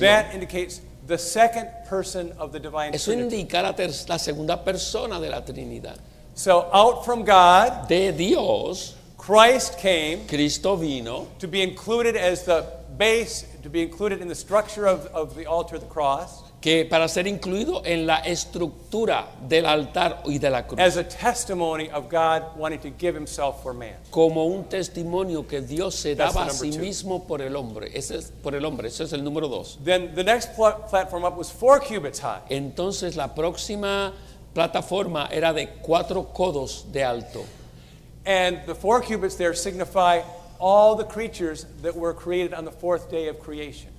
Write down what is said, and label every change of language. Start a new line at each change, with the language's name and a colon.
English: That indicates the second person of the divine
Spanish: Eso
English: Trinity.
Spanish: Eso indica la segunda persona de la Trinidad.
English: So out from God,
Spanish: de Dios,
English: Christ came,
Spanish: Cristo vino,
English: to be included as the base, to be included in the structure of the altar of the cross,
Spanish: que para ser incluido en la estructura del altar y de la cruz,
English: as a testimony of God wanting to give himself for man.
Spanish: Como un testimonio que Dios se daba a sí mismo por el hombre. Ese es por el hombre. Ese es el número dos.
English: Then the next platform up was 4 cubits high.
Spanish: Entonces la próxima plataforma era de 4 codos de alto.
English: And the 4 cubits there signify all the creatures that were created on the fourth day of creation.